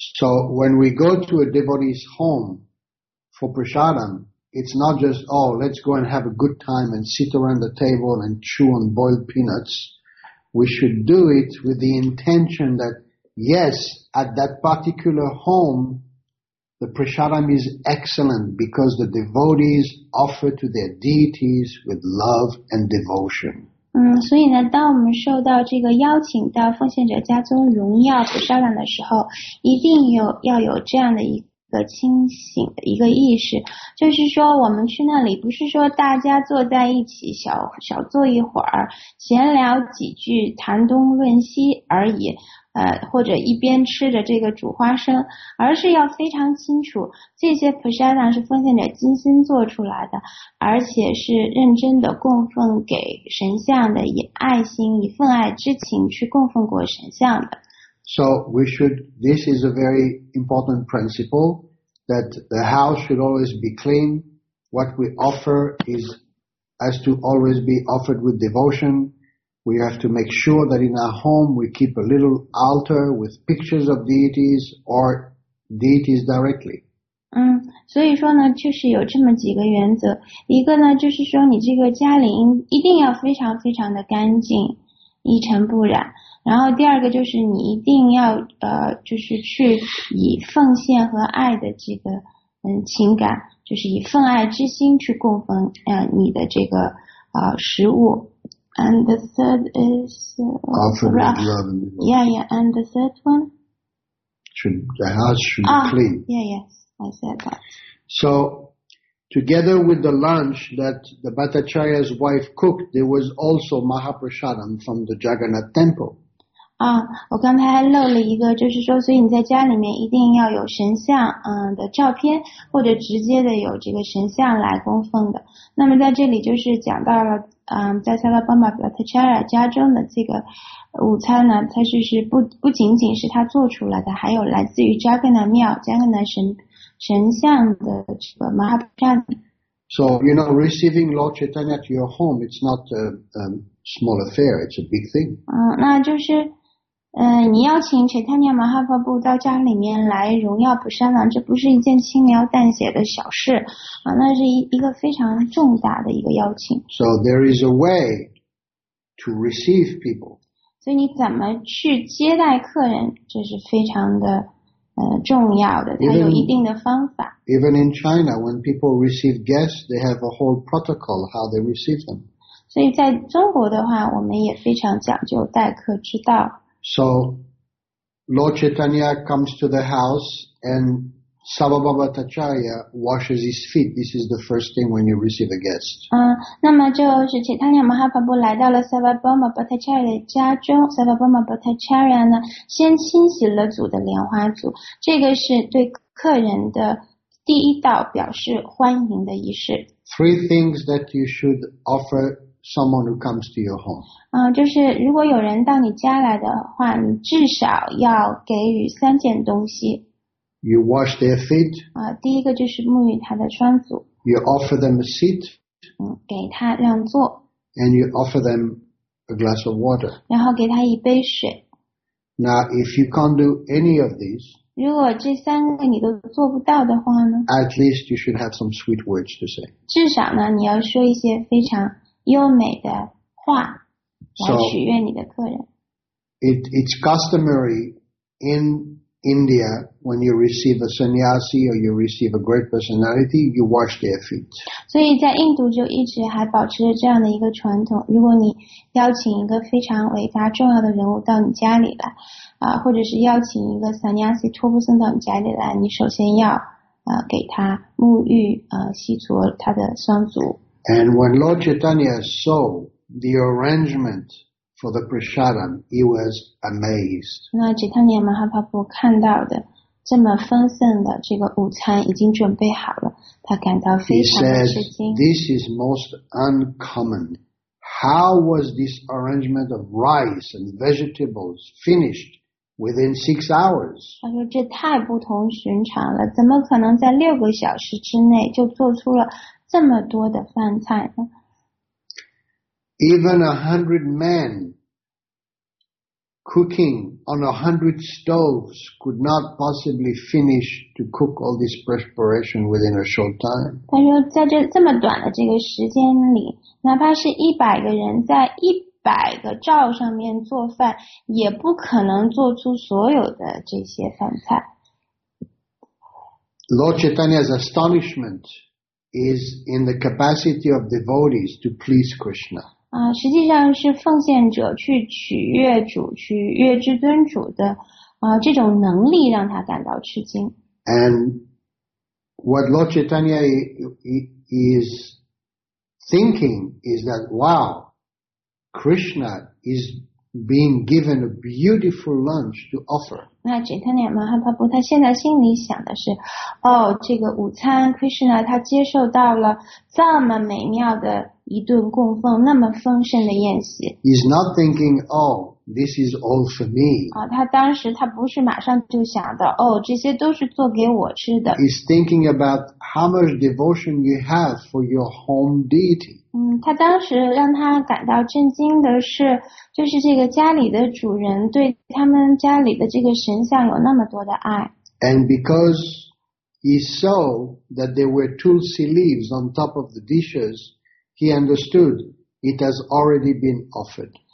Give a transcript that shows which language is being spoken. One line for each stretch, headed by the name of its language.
English: So when we go to a devotee's home for prasadam, it's not just, oh, let's go and have a good time and sit around the table and chew on boiled peanuts. We should do it with the intention that, yes, at that particular home, the prasadam is excellent because the devotees offer to their deities with love and devotion.
Chinese: 所以呢，当我们受到这个邀请到奉献者家中荣耀普沙兰的时候，一定要有这样的一个清醒的一个意识，就是说我们去那里不是说大家坐在一起小小坐一会儿，闲聊几句，谈东论西而已。或者一边吃着这个煮花生，而是要非常清楚这些 prasadam 是奉献者精心做出来的，而且是认真的供奉给神像的，以爱心以份爱之情去供奉过神像的。
English: So we should, this is a very important principle, that the house should always be clean, what we offer is has to always be offered with devotionWe have to make sure that in our home we keep a little altar with pictures of deities or deities directly.
Chinese: 所以说呢，就是有这么几个原则。一个呢，就是说你这个家里一定要非常非常的干净，一尘不染。然后第二个就是你一定要就是去以奉献和爱的这个情感，就是以奉爱之心去供奉你的这个食物。
English: And the third is And the third one should the house should be clean. Yeah, yes, I said that. So, together with the lunch that the Bhattacharya's wife cooked, there was also Mahaprasadam from the Jagannath temple.
Chinese: 我刚才漏了一个，就是说，所以你在家里面一定要有神像，的照片，或者直接的有这个神像来供奉的。那么在这里就是讲到了，在萨拉邦巴巴特查尔家中的这个午餐呢，它是不仅仅是他做出来的，还有来自于扎格纳庙、扎格纳神像的这个玛哈普扎。
English: So, you know, receiving Lord Chaitanya to your home, it's not a small affair, it's a big thing.
Chinese: 那就是。你邀请 Chaitanya Mahaprabhu 到家里面来荣耀普山王，这不是一件轻描淡写的小事啊，那是一个非常重大的一个邀请。
English: So there is a way to receive people.
Chinese: 所以你怎么去接待客人，这是非常的重要的，它有一定的方法。
English: Even in China, when people receive guests, they have a whole protocol how they receive them.
Chinese: 所以在中国的话，我们也非常讲究待客之道。
English: So, Lord Chaitanya comes to the house and Sababa Tacharya washes his feet. This is the first thing when you receive a guest.
Chinese: 那么就是 Chaitanya Mahaprabhu 来到了 Sababa Tacharya 的家中。 Sababa Tacharya 呢，先清洗了组的莲花组，这个是对客人的第一道表示欢迎的仪式。
English: Three things that you should offer someone who comes to your home.
Chinese: 就是如果有人到你家来的话，你至少要给予三件东西。
English: You wash their feet.
Chinese: 第一个就是沐浴他的双足。
English: You offer them a seat.
Chinese: 给他让座。
English: And you offer them a glass of water.
Chinese: 然后给他一杯水。
English: Now, if you can't do any of these,
Chinese: 如果这三个你都做不到的话呢
English: ？At least you should have some sweet words to say.
Chinese: 至少呢，你要说一些非常优美的话来许愿你的客人。
English: It's customary in India when you receive a sannyasi or you receive a great personality, you wash their feet.
Chinese: 所以在印度就一直还保持着这样的一个传统。如果你邀请一个非常伟大重要的人物到你家里来，或者是邀请一个 sannyasi 托钵僧到你家里来，你首先要给他沐浴洗濯他的双足。
English: And when Lord Chaitanya saw the arrangement for the prasadam, he was amazed.
Chinese: 那 Chaitanya Mahaprabhu 看到的这么丰盛的这个午餐已经准备好了，他感到非常的吃惊。
English: He says, "This is most uncommon. How was this arrangement of rice and vegetables finished within 6 hours?"
Chinese: 他说这太不同寻常了，怎么可能在六个小时之内就做出了这么多的饭菜呢？
English: Even 100 men cooking on 100 stoves could not possibly finish to cook all this preparation within a short time.
Chinese: 他说，在这么短的这个时间里，哪怕是100个人在100个灶上面做饭，也不可能做出所有的这些饭菜。
English: Lord Chaitanya's astonishment is in the capacity of devotees to please Krishna.
Chinese: 实际上是奉献者去取悦主，去悦至尊主的这种能力让他感到吃惊。
English: And what Lord Chaitanya is thinking is that, wow, Krishna is being given a beautiful lunch to offer.
Chinese: 那 Chaitanya Mahaprabhu 他现在心里想的是，哦，这个午餐 Krishna 他接受到了这么美妙的一顿供奉，那么丰盛的宴席。
English: He's not thinking, oh, this is all for me.
Chinese: 他当时他不是马上就想的，哦，这些都是做给我吃的。
English: He's thinking about how much devotion you have for your home deity.
Chinese: 他当时让他感到震惊的是，就是这个家里的主人对他们家里的这个神像有那么多的爱。
English: And because he saw that there were tulsi leaves on top of the dishes, he understood it has already been offered.